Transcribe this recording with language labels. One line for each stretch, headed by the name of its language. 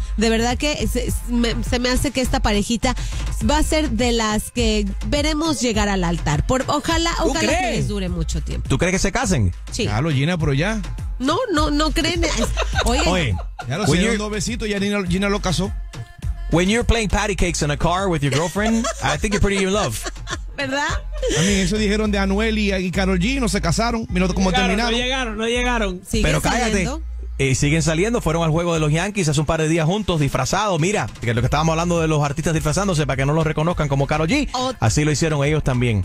Spanish: De verdad que se me hace que esta parejita va a ser de las que veremos llegar al altar. Ojalá que les dure mucho tiempo. ¿Tú crees que se casen? Sí. Claro, Gina, pero ya. No creen. Oye. Ya lo sé, dos besitos, ya Gina lo casó.
English: When you're playing patty cakes in a car with your girlfriend, I think you're pretty in love.
Spanish: ¿Verdad? A mí eso dijeron de Anuel y Karol G, no se casaron. Mira cómo terminaron. No llegaron. Pero cállate. Siguen saliendo, fueron al juego de los Yankees hace un par de días juntos, disfrazados. Mira, que lo que estábamos hablando de los artistas disfrazándose para que no los reconozcan como Karol G. Así lo hicieron ellos también.